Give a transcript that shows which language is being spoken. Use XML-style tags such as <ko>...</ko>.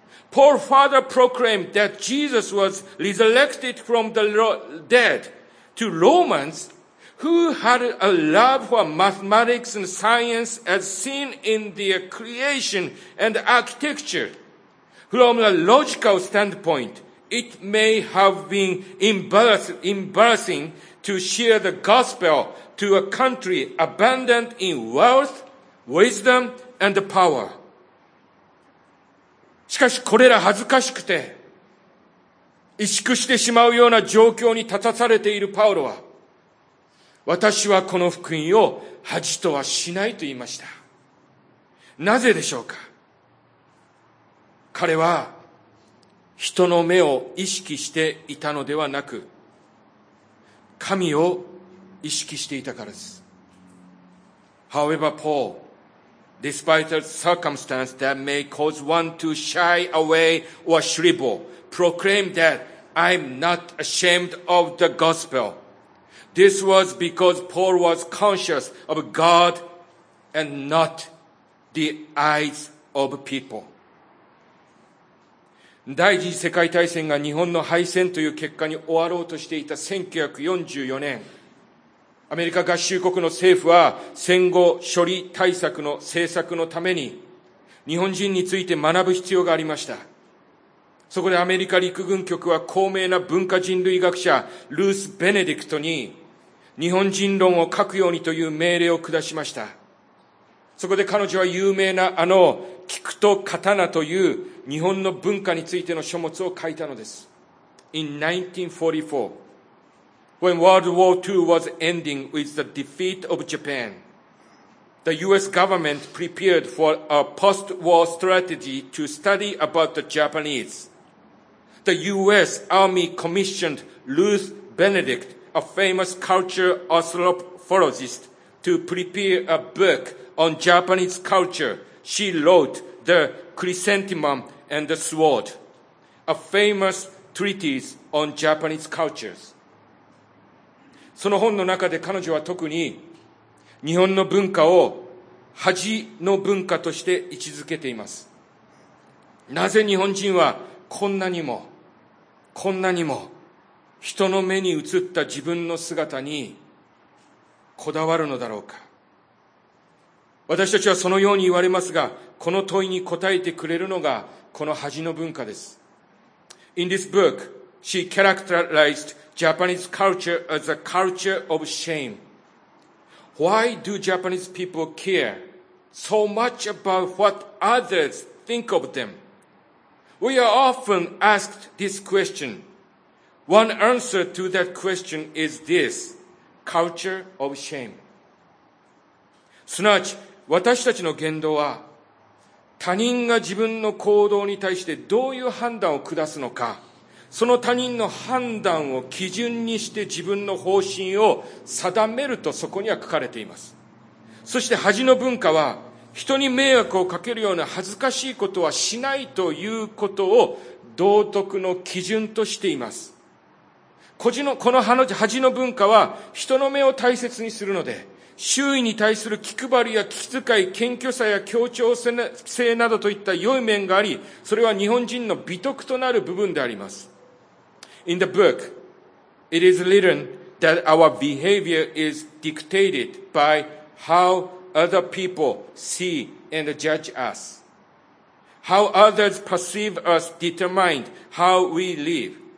<en>Paul further proclaimed that Jesus was resurrected from the dead to Romans,who had a love for mathematics and science as seen in their creation and architecture. From a logical standpoint, it may have been embarrassing to share the gospel to a country abundant in wealth, wisdom, and power.</en> <ja>しかしこれら恥ずかしくて、萎縮してしまうような状況に立たされているパウロは、私はこの福音を恥とはしないと言いました。なぜでしょうか？彼は人の目を意識していたのではなく、神を意識していたからです。</ja> <en>However, Paul, despite the circumstance that may cause one to shy away or shrivel, proclaimed that I'm not ashamed of the gospel. This was because Paul was conscious of God and not the eyes of people.</en> <ja>第一次世界大戦が日本の敗戦という結果に終わろうとしていた1944年、アメリカ合衆国の政府は戦後処理対策の政策のために日本人について学ぶ必要がありました。そこでアメリカ陸軍局は高名な文化人類学者ルース・ベネディクトに日本人論を書くようにという命令を下しました。そこで彼女は有名なあの菊と刀という日本の文化についての書物を書いたのです。</ja> <en>In 1944, when World War II was ending with the defeat of Japan, the US government prepared for a post-war strategy to study about the Japanese. The US Army commissioned Ruth Benedict,A famous culture anthropologist to prepare a book on Japanese culture. She wrote The Chrysanthemum and the Sword, a famous treatise on Japanese cultures.</en> <ja>その本の中で彼女は特に日本の文化を恥の文化として位置づけています。なぜ日本人はこんなにも、こんなにも人の目に映った自分の姿にこだわるのだろうか。私たちはそのように言われますが、この問いに答えてくれるのがこの恥の文化です。</ja> <en>In this book, she characterized Japanese culture as a culture of shame. Why do Japanese people care so much about what others think of them? We are often asked this question. One answer to that question is this: culture of shame.</en> <ja>すなわち、私たちの言動は他人が自分の行動に対してどういう判断を下すのか、その他人の判断を基準にして自分の方針を定めるとそこには書かれています。そして恥の文化は、人に迷惑をかけるような恥ずかしいことはしないということを道徳の基準としています。この恥の文化は人の目を大切にするので、周囲に対する気配りや気遣い、謙虚さや協調性などといった良い面があり、それは日本人の美徳となる部分であります。</ja> <en>In the book, it is written that our behavior is dictated by how other people see and judge us. How others perceive us determined how we live.</en>